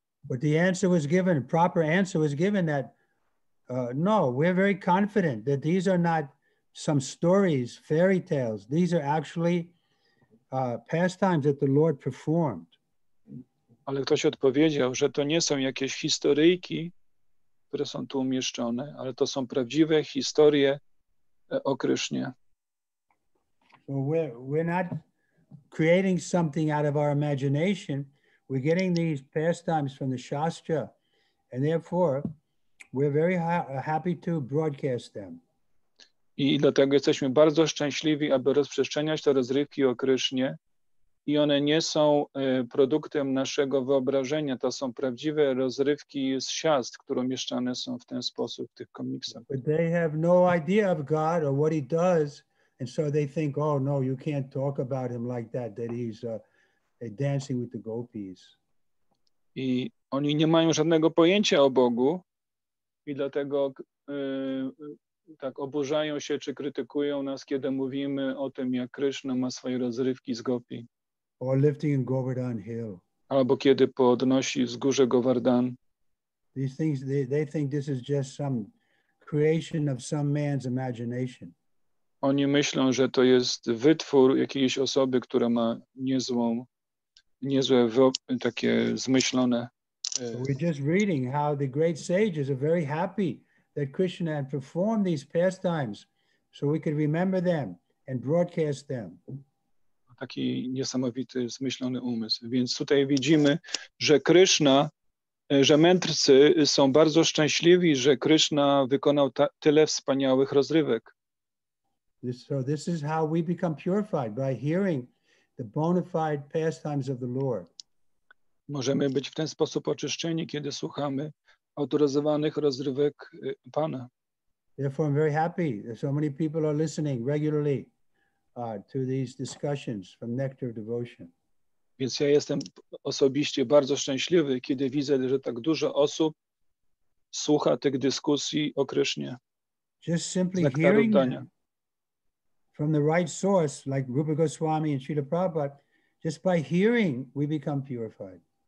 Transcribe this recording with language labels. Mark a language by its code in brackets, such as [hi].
[en] But the answer was given, proper answer was given that no, we're very confident that these are not some stories, fairy tales. These are actually pastimes that the Lord performed. [pl] Ale ktoś odpowiedział, że to nie są jakieś historyjki, które są tu umieszczone, ale to są prawdziwe historie o Krysznie. [en] So we're not creating something out of our imagination. We're getting these pastimes from the Shastra, and therefore we're very happy to broadcast them. [pl] I dlatego jesteśmy bardzo szczęśliwi, aby rozprzestrzeniać te rozrywki o Krysznie. I one nie są produktem naszego wyobrażenia. To są prawdziwe rozrywki z siast, które umieszczane są w ten sposób w tych komiksach. [en] But they have no idea of God or what he does. And so they think, oh no, you can't talk about him like that, that he's dancing with the gopis. [pl] I oni nie mają żadnego pojęcia o Bogu i dlatego tak oburzają się czy krytykują nas, kiedy mówimy o tym, jak Krishna ma swoje rozrywki z gopi. [en] Or lifting in Govardhan Hill. [pl] Albo kiedy podnosi wzgórze Govardhan. [en] These things, they think this is just some creation of some man's imagination. [pl] Oni myślą, że to jest wytwór jakiejś osoby, która ma niezłe takie zmyślone. [en] We're just reading how the great sages are very happy that Krishna had performed these pastimes so we could remember them and broadcast them. [pl] Taki niesamowity, zmyślony umysł. Więc tutaj widzimy, że Krishna, że mędrcy są bardzo szczęśliwi, że Krishna wykonał tyle wspaniałych rozrywek. [en] So this is how we become purified, by hearing the bona fide pastimes of the Lord. [pl] Możemy być w ten sposób oczyszczeni, kiedy słuchamy autoryzowanych rozrywek Pana. [en] Therefore, I'm very happy that so many people are listening regularly to these discussions from Nectar of Devotion. [pl] Więc ja jestem osobiście bardzo szczęśliwy, kiedy widzę, że tak dużo osób słucha tych dyskusji o Krysznie. [en] Just simply hearing them from the right source, like Rupa Goswami and Srila Prabhupada, just by hearing, we become purified.